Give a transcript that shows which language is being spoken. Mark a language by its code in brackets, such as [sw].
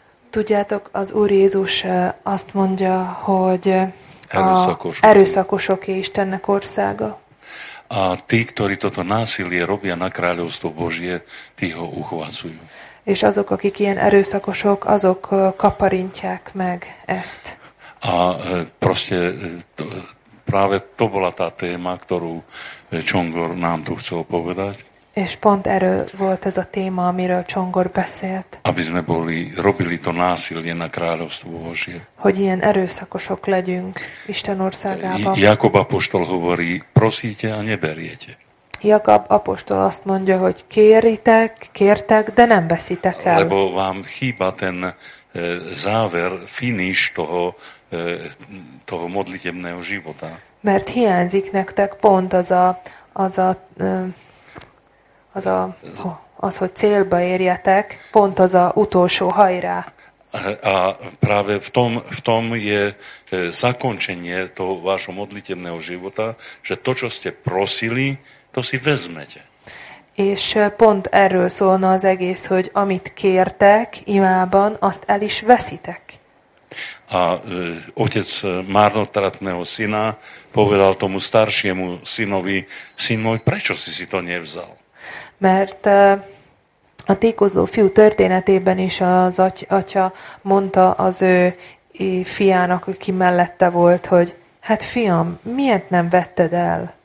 [hu] Tudjátok, az Úr Jézus azt mondja, hogy erőszakosoké Istennek országa. [sk] A tí, ktorí toto násilie robia na kráľovstvo Božie, tí ho uchvácujú. [hu] És azok, akik ilyen erőszakosok, azok kaparintják meg ezt. [sk] A proste to, práve to bola tá téma, ktorú Čongor nám tu chcel povedať. [hu] És pont erről volt ez a téma, amiről Csongor beszélt. [sk] Aby sme boli, robili to násilie na kráľovstvo Božie. [hu] Hogy ilyen erőszakosok legyünk Isten országában. [sk] Jakob apostol hovorí, prosíte a neberiete. [hu] Jakab apostol azt mondja, hogy kéritek, kértek, de nem veszitek el. [sk] Lebo vám chýba ten záver, finish toho, toho modlitebného života. [hu] Mert hiányzik nektek pont az, hogy célba érjetek, pont az a utolsó hajrá. [sk] A práve v tom je zakončenie toho vášho modlitebného života, že to, čo ste prosili, to si vezmete. [hu] És pont erről szólna az egész, hogy amit kértek imában, azt el is veszitek. [sk] A otec marnotratného syna povedal tomu staršiemu synovi, syn môj, prečo si si to nevzal? [hu] Mert a tékozló fiú történetében is az atya mondta az ő fiának, aki mellette volt, hogy hát fiam, miért nem vetted el?